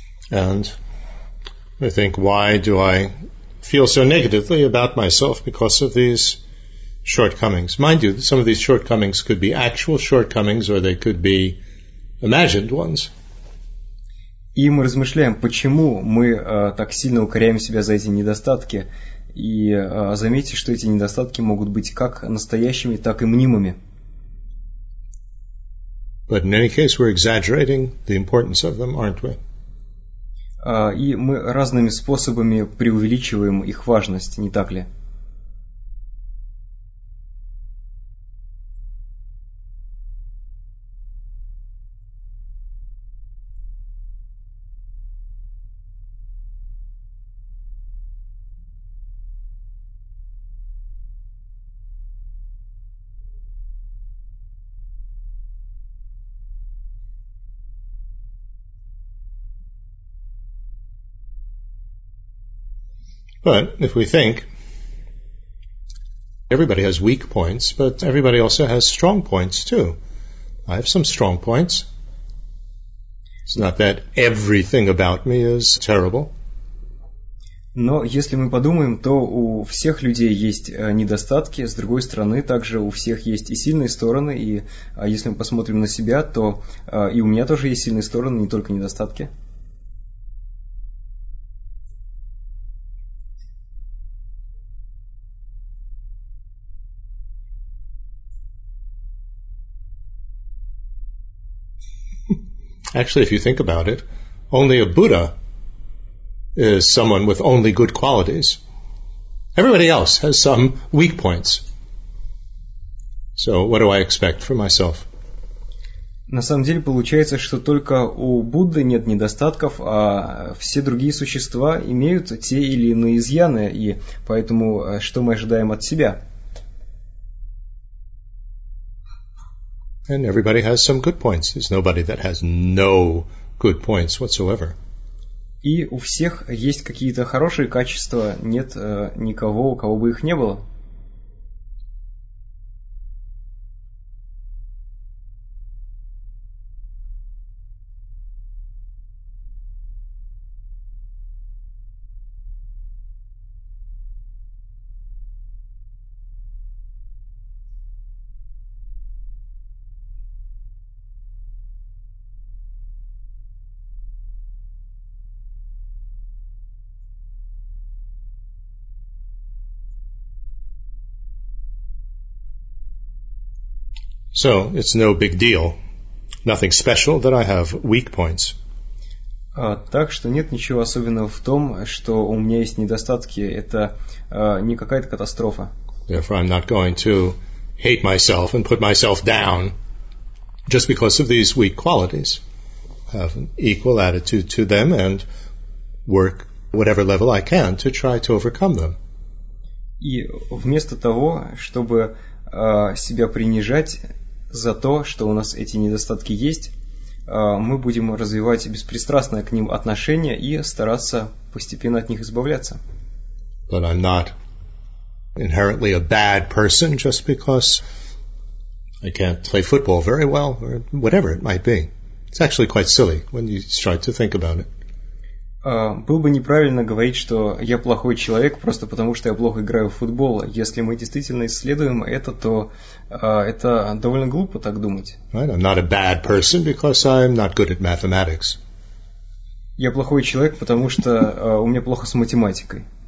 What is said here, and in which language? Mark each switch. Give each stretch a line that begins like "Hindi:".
English: And I think, why do I feel so negatively about myself because of these shortcomings? Mind you, some of these shortcomings could be actual shortcomings, or they could be imagined ones.
Russian: И мы размышляем, почему мы так сильно укоряем себя за эти недостатки, и заметьте, что эти недостатки могут быть как настоящими, так и мнимыми.
English: But in any case, we're exaggerating the importance of them, aren't we?
Russian: И мы разными способами преувеличиваем их важность, не так ли?
English: But if we think, everybody has weak points, but everybody also has strong points too. I have some strong points. It's not that everything about me is terrible.
Russian: Но если мы подумаем, то у всех людей есть недостатки. С другой стороны, также у всех есть и сильные стороны. И если мы посмотрим на себя, то и у меня тоже есть сильные стороны, не только недостатки.
English: Actually, if you think about it, only a Buddha is someone with only good qualities. Everybody else has some weak points. So what do I expect for myself?
Russian: На самом деле получается, что только у Будды нет недостатков, а все другие существа имеют те или иные изъяны, и поэтому что мы ожидаем от себя?
English: And everybody has some good points. There's nobody that has no good points whatsoever.
Russian: И у всех есть какие-то хорошие качества, нет никого, у кого бы их не было.
English: So it's no big deal. Nothing special that I have weak points.
Russian: Так что нет ничего особенного в том, что у меня есть недостатки. Это не какая-то катастрофа.
English: Therefore, I'm not going to hate myself and put myself down just because of these weak qualities. Have an equal attitude to them and work whatever level I can to try to overcome them.
Russian: И вместо того, чтобы себя принижать за то, что у нас эти недостатки есть, мы будем развивать беспристрастное к ним отношение и стараться постепенно от них избавляться.
English: But I'm not inherently a bad person just because I can't play football very well or whatever it might be. It's actually quite silly when you start to think about it.
Russian: Было бы неправильно говорить, что я плохой человек просто потому, что я плохо играю в футбол. Если мы действительно исследуем это, то это довольно глупо так думать.
English: Right, I'm not a bad person because I'm not good at mathematics.
Russian: Я плохой человек, потому что у меня плохо с математикой.